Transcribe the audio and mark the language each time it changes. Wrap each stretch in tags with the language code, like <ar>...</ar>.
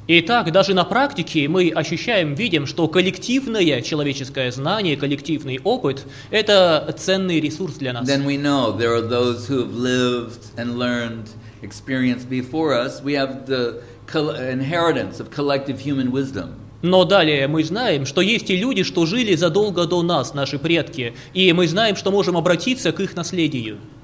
<ru>Итак, даже на практике мы ощущаем, видим, что коллективное человеческое знание, коллективный опыт – это ценный ресурс для нас.</ru> <en>Then we know there are those who have lived and learned experience before us. We have the inheritance of collective human wisdom.</en> <ru>Но далее мы знаем, что есть и люди, что жили задолго до нас, наши предки, и мы знаем, что можем обратиться к их наследию.</ru>